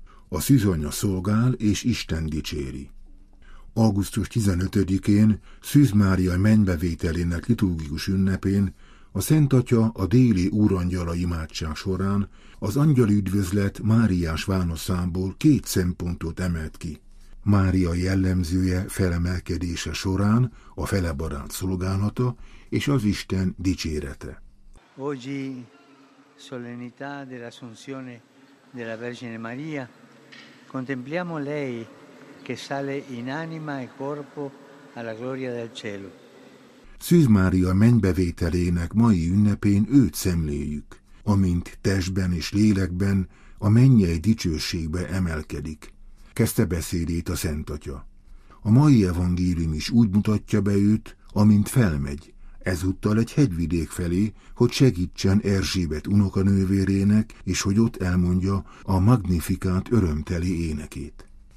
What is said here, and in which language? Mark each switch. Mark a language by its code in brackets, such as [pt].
[hu] A szűzanya szolgál és Isten dicséri. Augusztus 15-én, Szűz Mária mennybevételének liturgikus ünnepén, a Szent Atya a déli úrangyala imádság során az angyali üdvözlet Máriás válaszából két szempontot emelt ki. Mária jellemzője felemelkedése során a felebarát szolgálata és az Isten dicsérete. Ogyi. [it] Solennità dell'Assunzione della Vergine Maria, contempliamo lei che sale in anima e corpo alla gloria del cielo. [hu] Szűz Mária mennybevételének mai ünnepén őt szemléljük, amint testben és lélekben a mennyei dicsőségbe emelkedik, kezdte beszédét a Szent Atya. A mai evangélium is úgy mutatja be őt, amint felmegy, ezúttal egy hegyvidék felé, hogy segítsen Erzsébet unokanővérének, és hogy ott elmondja a Magnifikát örömteli énekét.